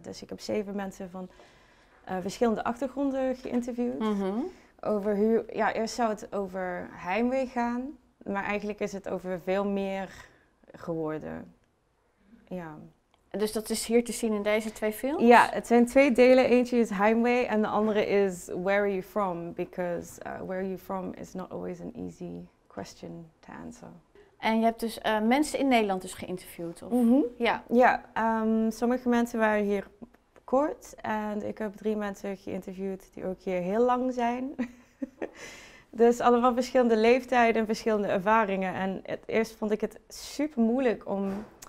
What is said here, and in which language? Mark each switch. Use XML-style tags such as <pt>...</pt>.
<nl>Dus ik heb 7 mensen van verschillende achtergronden geïnterviewd. Mm-hmm. Over hoe, ja, eerst zou het over heimwee gaan, maar eigenlijk is het over veel meer geworden. Ja. Dus dat is hier te zien in deze 2 films? Ja, het zijn 2 delen. Eentje is Heimwee en de andere is Where are you from?</nl> <en>Because where are you from is not always an easy question to answer.</en> <nl>En je hebt dus mensen in Nederland dus geïnterviewd? Of? Mm-hmm. Ja. Ja, sommige mensen waren hier kort en ik heb 3 mensen geïnterviewd die ook hier heel lang zijn. Dus allemaal verschillende leeftijden en verschillende ervaringen. En eerst vond ik het super moeilijk om...</nl>